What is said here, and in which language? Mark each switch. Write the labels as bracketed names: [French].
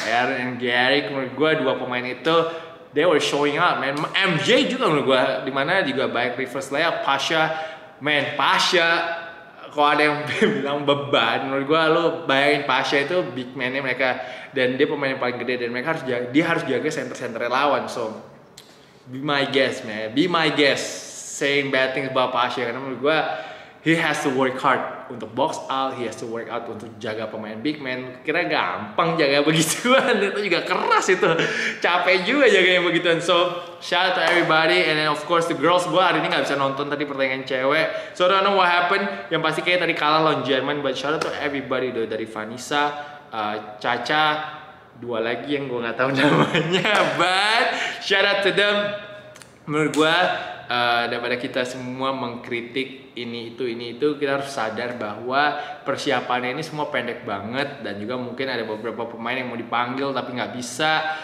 [English] Aaron and Garrick, [Indonesian] menurut gue 2 pemain itu [English] they were showing up, man. [Indonesian] MJ juga menurut gue, di mana juga baik reverse layup. Pasha, man, Pasha. Kalo ada yang bilang beban, menurut gue lo bayangin Pasha itu big man-nya mereka dan dia pemain yang paling gede dan mereka harus dia harus jaga center-centernya lawan. [English] So, be my guest, man. Be my guest saying bad things about Pasha [Indonesian] karena menurut gue [English] he has to work hard [Indonesian] untuk [English] box out, he has to work out [Indonesian] untuk jaga pemain [English] big man. [Indonesian] Kira gampang jaga begituan, itu juga keras itu. Capek juga jaga yang begituan. [English] So, shout out to everybody and then of course the girls. [Indonesian] Gua hari ini gak bisa nonton tadi pertandingan cewek. [English] So, I don't know what happened. [Indonesian] Yang pasti kayak tadi kalah lawan Jerman, [English] but shout out to everybody though. [Indonesian] Dari Vanessa, Caca, dua lagi yang gua gak tahu namanya. [English] But, shout out to them. [Indonesian] Menurut gue, daripada kita semua mengkritik ini itu, kita harus sadar bahwa persiapannya ini semua pendek banget dan juga mungkin ada beberapa pemain yang mau dipanggil tapi gak bisa.